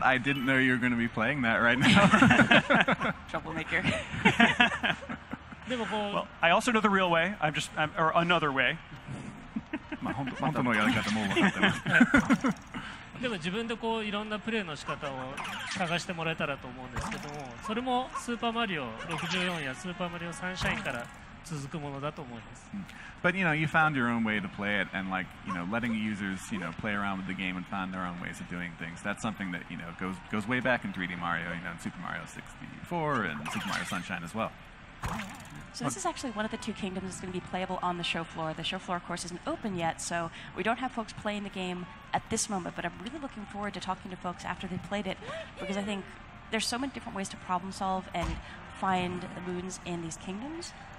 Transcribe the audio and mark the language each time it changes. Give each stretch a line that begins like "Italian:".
English: I didn't know you were going to be playing that right now. Troublemaker.
Japanese: でもこう
English: Well, I also know the real way. I'm or another way.
Japanese: まあ、本当のやり方も分かってますでも自分でこういろんなプレイの仕方を探してもらえたらと思うんですけどもそれもスーパーマリオ64やスーパーマリオサンシャインから続くものだと思います
English: But you know you found your own way to play it and like you know letting users you know play around with the game and find their own ways of doing things that's something that you know goes way back in 3D Mario you know in Super Mario 64 and Super Mario Sunshine as well So this is actually one of the two kingdoms that's going to be playable on the show floor. The show floor, of course, isn't open yet, so we don't have folks playing the game at this moment, but I'm really looking forward to talking to folks after they've played it, because I think there's so many different ways to problem solve and find the moons in these kingdoms.